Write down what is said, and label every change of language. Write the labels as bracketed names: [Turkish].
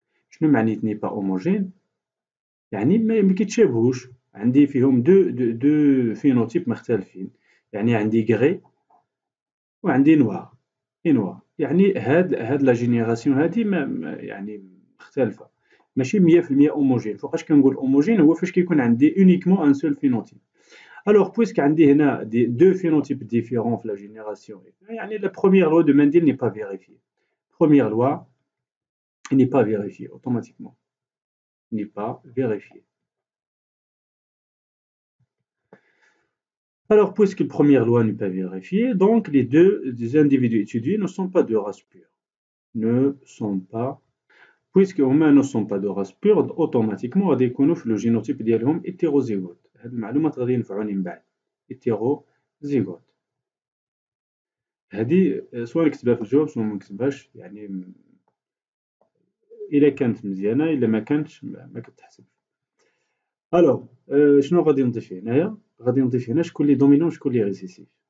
[Arabic] شنو معني ني با اوموجين؟ يعني ما كيتشابهوش، عندي فيهم دو فينوتيب مختلفين، يعني عندي غري وعندي نوار. اي نوار يعني هاد لا جينيراسيون هادي ما يعني مختلفه، ماشي 100% اوموجين. فوقاش كنقول اوموجين؟ هو فاش كيكون عندي اونيكمون ان سول فينوتيب. [French] Alors, puisque on dit deux phénotypes différents de la génération, la première loi de Mendel n'est pas vérifiée. Première loi n'est pas vérifiée automatiquement. N'est pas vérifiée. Alors, puisque la première loi n'est pas vérifiée, donc les deux les individus étudiés ne sont pas de race pure. Ne sont pas. Puisque les humains ne sont pas de race pure, automatiquement, on découvre le génotype de l'homme hétérozygote. [Arabic] هاد المعلومات غادي ينفعوني من بعد. هيتيرو زيغوت هادي سواء نكتبها في الجواب سواء منكتبهاش، يعني الا كانت مزيانه، الا ما كانتش ما كتحسبش. الوغ شنو غادي نضيف هنايا؟ غادي نضيف هنا شكون لي دومينون شكون لي ريسيسيف.